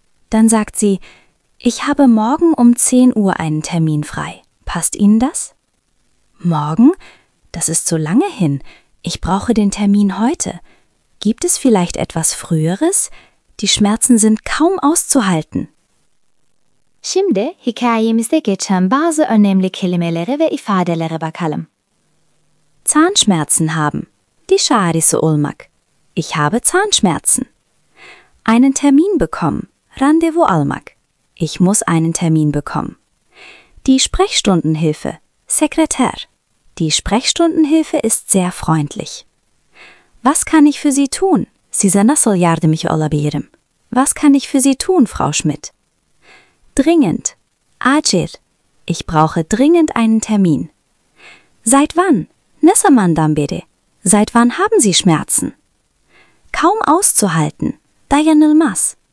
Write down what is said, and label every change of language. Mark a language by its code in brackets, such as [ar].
[de] Dann sagt sie, ich habe morgen um 10 Uhr einen Termin frei. Passt Ihnen das? Morgen? Das ist so lange hin. Ich brauche den Termin heute. Gibt es vielleicht etwas Früheres? Die Schmerzen sind kaum auszuhalten. [tr] Şimdi hikayemizde geçen bazı önemli kelimeleri ve ifadeleri bakalım. [de] Zahnschmerzen haben. [tr] Diş ağrısı olmak. [de] Ich habe Zahnschmerzen. Einen Termin bekommen. [tr] Randevu almak. [de] Ich muss einen Termin bekommen. Die Sprechstundenhilfe, Sekretär. Die Sprechstundenhilfe ist sehr freundlich. Was kann ich für Sie tun? [tr] Size nasıl yardımcı olabilirim? [de] Was kann ich für Sie tun, Frau Schmidt? Dringend, acil. Ich brauche dringend einen Termin. Seit wann? [tr] Ne zamandan beri? [de] Seit wann haben Sie Schmerzen? Kaum auszuhalten, [tr] dayanılmaz.